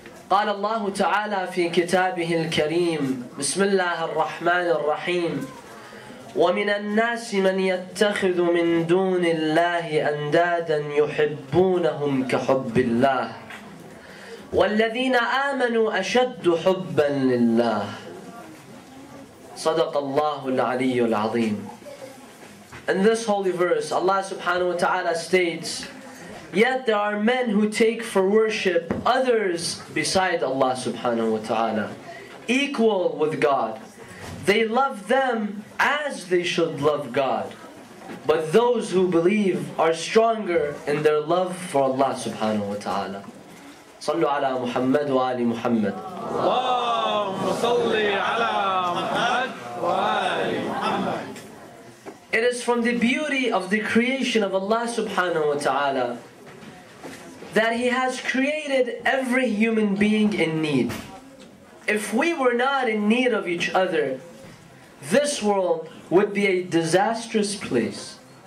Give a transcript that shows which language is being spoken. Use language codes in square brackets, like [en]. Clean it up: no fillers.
[ar] قال الله تعالى في كتابه الكريم بسم الله الرحمن الرحيم ومن الناس من يتخذ من دون الله أندادا يحبونهم كحب الله والذين آمنوا أشد حبا لله صدق الله العلي العظيم. [en] In this holy verse, Allah subhanahu wa ta'ala states, yet there are men who take for worship others beside Allah subhanahu wa ta'ala, equal with God. They love them as they should love God. But those who believe are stronger in their love for Allah subhanahu wa ta'ala. [ar] صلوا على محمد وآل محمد. اللهم صل على محمد وآل محمد. [en] It is from the beauty of the creation of Allah subhanahu wa ta'ala that He has created every human being in need. If we were not in need of each other, this world would be a disastrous place.